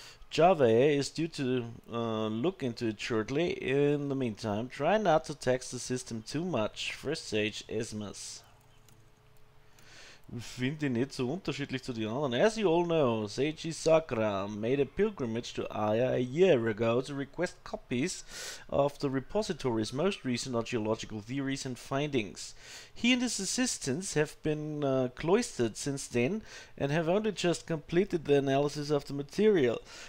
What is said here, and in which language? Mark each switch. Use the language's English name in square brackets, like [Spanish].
[English] Java is due to look into it shortly. In the meantime, try not to tax the system too much. First Sage Esmas. [German] Finde ich nicht so unterschiedlich zu den anderen. [English] As you all know, Sage Isakra made a pilgrimage to Aya a year ago to request copies of the repository's most recent archaeological theories and findings. He and his assistants have been cloistered since then and have only just completed the analysis of the material.